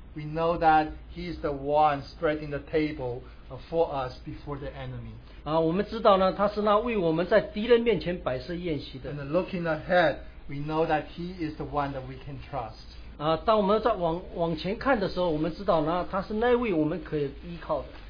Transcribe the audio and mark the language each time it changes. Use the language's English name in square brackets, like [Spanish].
[English] We know that He is the one spreading the table for us before the enemy. [Chinese] 我们知道呢，他是那为我们在敌人面前摆设宴席的。 [English] And looking ahead, we know that He is the one that we can trust. [Chinese] 当我们在往前看的时候，我们知道呢，他是那为我们可以依靠的。